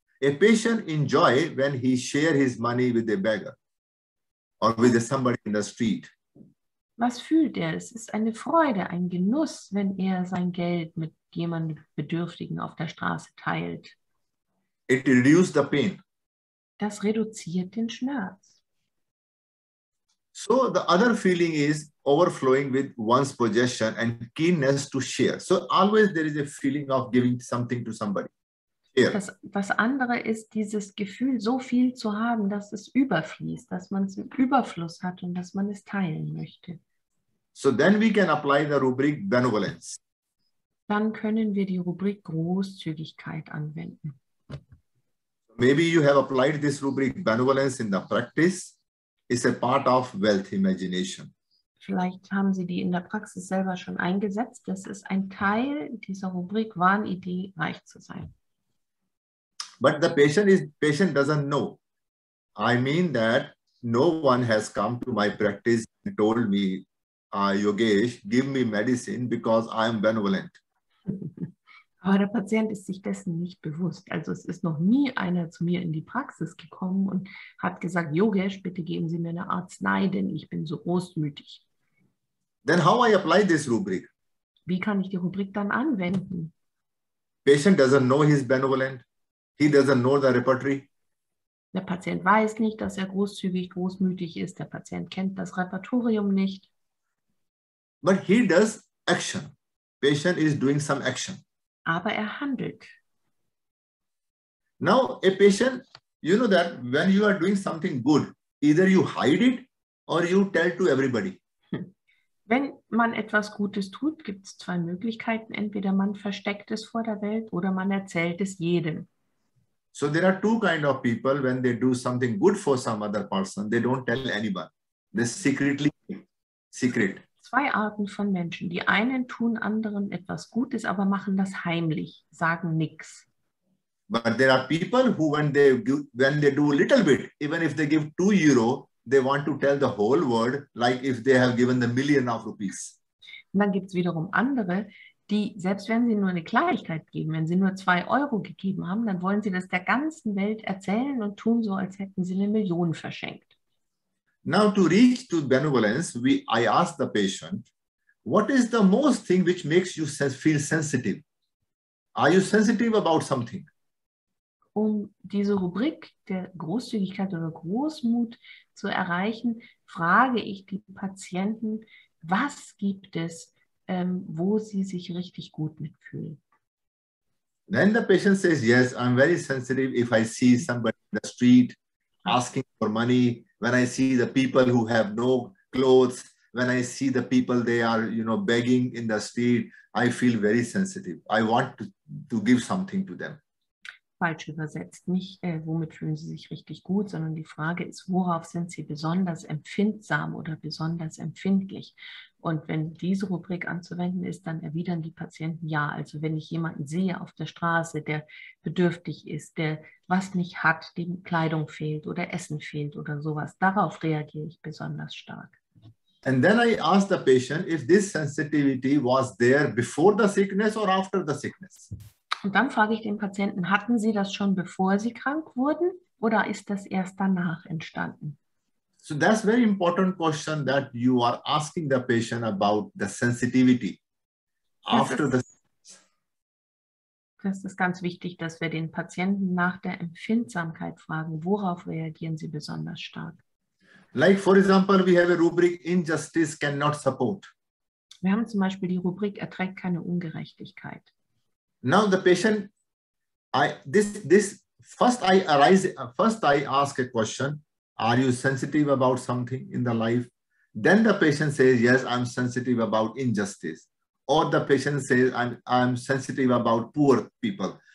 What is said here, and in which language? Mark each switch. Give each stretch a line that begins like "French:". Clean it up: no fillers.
English: A patient enjoy when he share his money with a beggar or with somebody in the street.
German: Was fühlt er? Es ist eine Freude, ein Genuss, wenn er sein Geld mit jemandem Bedürftigen auf der Straße teilt.
English: It reduces the pain.
German: Das reduziert den Schmerz.
English: So the other feeling is overflowing with one's possession and keenness to share. So always there is a feeling of giving something to somebody.
German: Das andere ist dieses Gefühl, so viel zu haben, dass es überfließt, dass man es im Überfluss hat und dass man es teilen möchte.
English: So then we can apply the rubric benevolence.
German: Dann können wir die Rubrik Großzügigkeit anwenden.
English: Maybe you have applied this rubric benevolence in the practice. It's a part of wealth imagination.
German: Vielleicht haben Sie die in der Praxis selber schon eingesetzt. Das ist ein Teil dieser Rubrik Wahnidee, reich zu sein.
English: But the patient doesn't know. I mean that no one has come to my practice and told me, Yogesh, give me medicine because I am benevolent.
German: Aber der Patient ist sich dessen nicht bewusst. Also es ist noch nie einer zu mir in die Praxis gekommen und hat gesagt, Yogesh, bitte geben Sie mir eine Arznei, denn ich bin so großmütig.
English: Then how I apply this rubric?
German: Wie kann ich die Rubrik dann anwenden?
English: Patient doesn't know he's benevolent. He doesn't know the repertory.
German: Der Patient weiß nicht, dass er großzügig, großmütig ist. Der Patient kennt das Repertorium nicht.
English: But he does action. Patient is doing some action.
German: Aber er handelt.
English: Now a patient, you know that when you are doing something good, either you hide it or you tell to everybody.
German: Wenn man etwas Gutes tut, gibt es zwei Möglichkeiten. Entweder man versteckt es vor der Welt oder man erzählt es jedem.
English: So there are two kind of people when they do something good for some other person, they don't tell anybody. They secretly, secret.
German: Zwei Arten von Menschen. Die einen tun anderen etwas Gutes, aber machen das heimlich, sagen nichts.
English: But there are people who when they do a little bit, even if they give 2 euro, they want to tell the whole world, like if they have given the million of rupees.
German: Und dann gibt es wiederum andere, die, selbst wenn sie nur eine Kleinigkeit geben, wenn sie nur 2 Euro gegeben haben, dann wollen sie das der ganzen Welt erzählen und tun so, als hätten sie 1 Million verschenkt.
English: Now to reach to benevolence, I ask the patient, what is the most thing which makes you feel sensitive? Are you sensitive about something?
German: Um diese Rubrik der Großzügigkeit oder Großmut zu erreichen, frage ich die Patienten, was gibt es, wo sie sich richtig gut mitfühlen.
English: Then the patient says, yes, I'm very sensitive if I see somebody in the street, asking for money, when I see the people who have no clothes, when I see the people, they are, you know, begging in the street, I feel very sensitive. I want to give something to them.
German: Falsch übersetzt, nicht womit fühlen Sie sich richtig gut, sondern die Frage ist, worauf sind Sie besonders empfindsam oder besonders empfindlich? Und wenn diese Rubrik anzuwenden ist, dann erwidern die Patienten ja. Also wenn ich jemanden sehe auf der Straße, der bedürftig ist, der was nicht hat, dem Kleidung fehlt oder Essen fehlt oder sowas, darauf reagiere ich besonders stark.
English: And then I ask the patient if this sensitivity was there before the sickness or after the sickness.
German: Und dann frage ich den Patienten, hatten Sie das schon, bevor Sie krank wurden, oder ist das erst danach entstanden?
English: So that's a very important question that you are asking the patient about the sensitivity after the
German: sickness. Das ist ganz wichtig, dass wir den Patienten nach der Empfindsamkeit fragen, worauf reagieren Sie besonders stark?
English: Like for example, we have a rubric, injustice cannot support.
German: Wir haben zum Beispiel die Rubrik, erträgt keine Ungerechtigkeit.
English: Now the patient, I ask a question, are you sensitive about something in the life? Then the patient says, yes, I'm sensitive about injustice. Or the patient says, I'm sensitive about poor people.